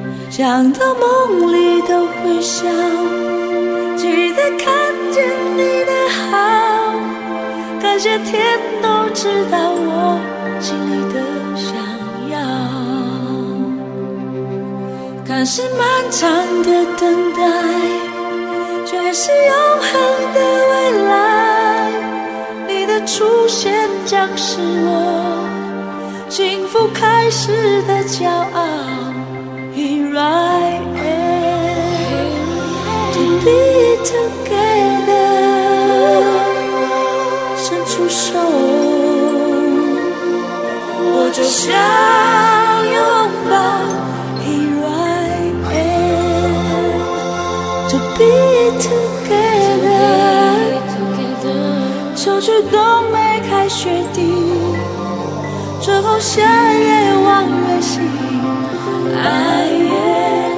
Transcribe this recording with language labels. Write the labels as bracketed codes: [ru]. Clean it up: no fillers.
[zh] 想到梦里都会笑，记得看见你的好，感谢天都知道我心里的想要。看似漫长的等待，却是永恒的未来。你的出现将是我幸福开始的骄傲。 [en] Here I am to be together， [zh] 伸出手，我就想拥抱。 [en] Here I am to be together， [zh] 秋去冬梅开雪地，春后夏夜望月星。爱也。